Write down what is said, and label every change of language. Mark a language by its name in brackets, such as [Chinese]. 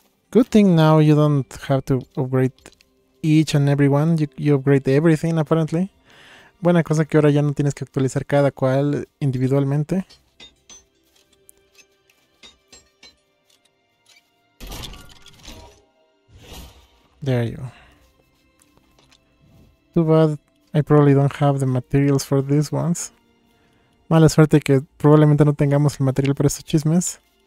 [English] Good thing now you don't have to upgrade each and every one. You upgrade everything, apparently. [Spanish] Buena cosa que ahora ya no tienes que actualizar cada cual individualmente. [English] There you go. Too bad I probably don't have the materials for these ones. [Spanish] Mala suerte que probablemente no tengamos el material para estos chismes.